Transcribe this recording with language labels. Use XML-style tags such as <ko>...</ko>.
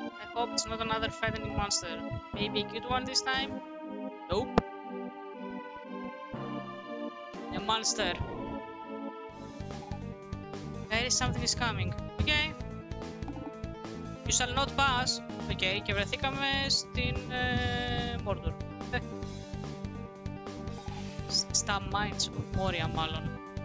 <en>I hope it's not another fighting monster. Maybe a good one this time? Nope. A monster. There is something is coming. Okay. You shall not pass.</en> <el>Okay, και βρεθήκαμε στην Mordor. Στα Mines of Moria, μάλλον.</el>